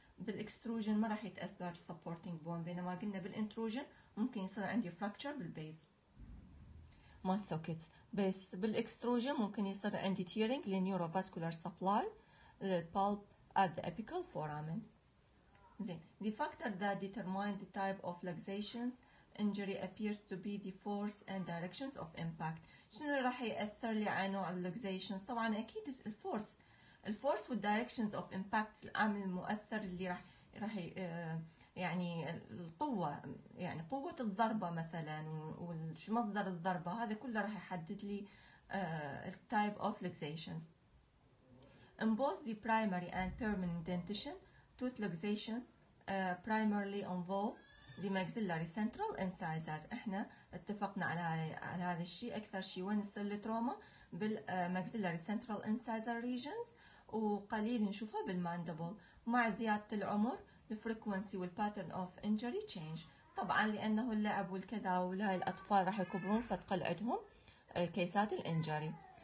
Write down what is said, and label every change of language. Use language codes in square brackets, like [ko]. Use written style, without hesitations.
[ar] بالاكستروجين ما راح يتأثر supporting bone, بينما قلنا بالانتروجين ممكن يصير عندي fracture بالبيز ما سوكيتس, بس بالاكستروجين ممكن يصير عندي tearing للنيوروفاسكولار سبلاي للبالب [en] at the apical foramen. زين, the factor that determine the type of luxations injury appears to be the force and directions of impact. [ar] شنو راح يأثر لي على نوع luxations؟ طبعا اكيد الفورس, الفورس [en] والدايركشنز of impact [ar] العامل المؤثر اللي راح يعني القوة, يعني قوة الضربة مثلا ومصدر الضربة, هذا كله راح يحدد لي [en] type of luxations. In both the primary and permanent dentition, tooth luxations primarily involve the maxillary central incisor. [ar] احنا اتفقنا على هذا الشيء, اكثر شيء وين يصير التروما بال maxillary central incisor regions, وقليل نشوفها بالماندبل. مع زيادة العمر الفريكوانسي [en] والباترن of injury change, [ar] طبعا لانه اللعب والكذا ولهي الاطفال راح يكبرون فتقل عندهم الكيسات الانجري.